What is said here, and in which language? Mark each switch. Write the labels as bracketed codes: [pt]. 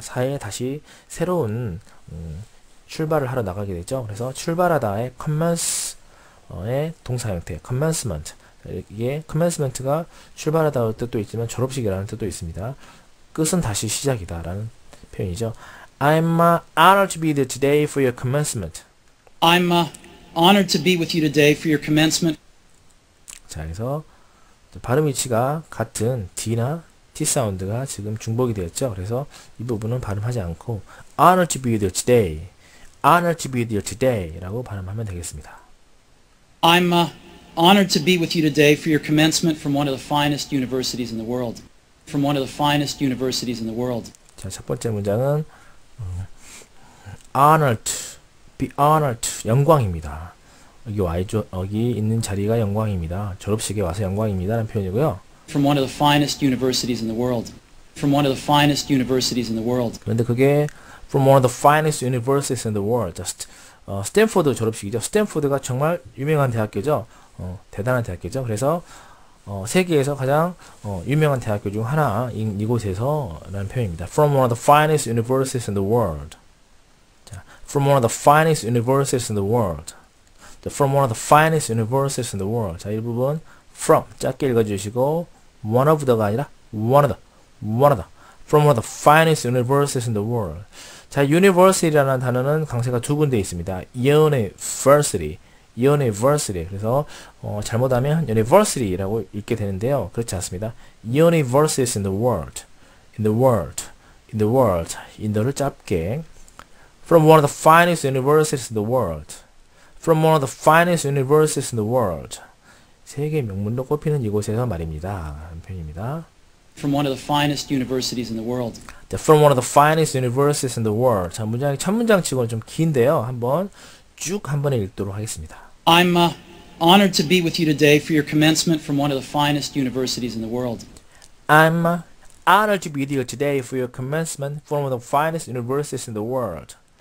[ko] 사회에 다시 새로운 출발을 하러 나가게 되죠. 그래서 출발하다의 commence의 동사 형태, commencement. 이게 commencement가 출발하다의 뜻도 있지만 졸업식이라는 뜻도 있습니다. 끝은 다시 시작이다 라는 표현이죠. [en] I'm honored to be there today for your commencement. I'm honored to be with you today for your commencement. [ko] 자, 그래서 발음 위치가 같은 D나 T 사운드가 지금 중복이 되었죠. 그래서 이 부분은 발음하지 않고 [en] honored to be with you today. Honored to be with you today라고 [ko] 발음하면 되겠습니다. [en] I'm honored to be with you today for your commencement from one of the finest universities in the world. From one of the finest universities in the world. [ko] 자, 첫 번째 문장은 honored, [en] be honored, [ko] 영광입니다. 여기 와이죠, 여기 있는 자리가 영광입니다. 졸업식에 와서 영광입니다라는 표현이고요. [en] From one of the finest universities in the world. From one of the finest universities in the world. [ko] 그런데 그게 [en] From one of the finest universities in the world. [ko] Just, 스탠포드 졸업식이죠. 스탠포드가 정말 유명한 대학교죠. 대단한 대학교죠. 그래서, 세계에서 가장, 유명한 대학교 중 하나인 이곳에서 라는 표현입니다. [en] From one of the finest universities in the world. 자, from one of the finest universities in the world. From one of the finest universities in the world. 자, 이 부분, from, [ko] 짧게 읽어주시고, [en] one of the가 아니라, one of the, one of the. From one of the finest universities in the world. [ko] 자, university라는 단어는 강세가 두 군데 있습니다. University, university. 그래서 잘못하면 university라고 읽게 되는데요. 그렇지 않습니다. [en] Universities in the world, in the world, in the world. [ko] 인도를 짧게. [en] From one of the finest universities in the world. From one of the finest universities in the world. [ko] 세계 명문도 꼽히는 이곳에서 말입니다. 표현입니다. [en] From one of the finest universities in the world. From one of the finest universities in the world. [ko] 자, 문장이 첫 문장치고는 좀 긴데요. 한번 쭉 한 번에 읽도록 하겠습니다. [en] I'm honored to be with you today for your commencement from one of the finest universities in the world. I'm honored to be with you today for your commencement from one of the finest universities in the world.